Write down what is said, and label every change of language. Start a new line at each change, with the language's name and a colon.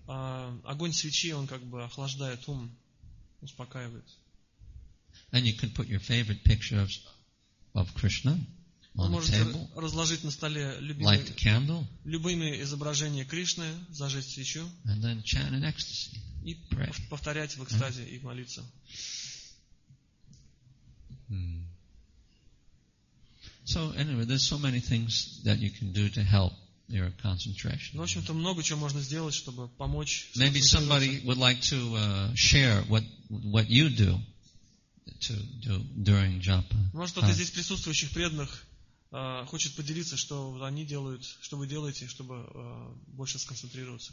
Russian: Огонь свечи, он как бы охлаждает ум, успокаивает.
English: And you can put your favorite picture of Krishna on the table.
Russian: Разложить на столе любимые изображения Кришны, зажечь свечу.
English: And then chant in ecstasy.
Russian: И повторять в экстазе и молиться.
English: So anyway, there's so many things that you can do to help your concentration.
Russian: В общем-то, много чего можно сделать, чтобы помочь.
English: Maybe somebody would like to share what you do to do during japa.
Russian: Может, кто-то здесь присутствующих преданных хочет поделиться, что они делают, что вы делаете, чтобы больше сконцентрироваться.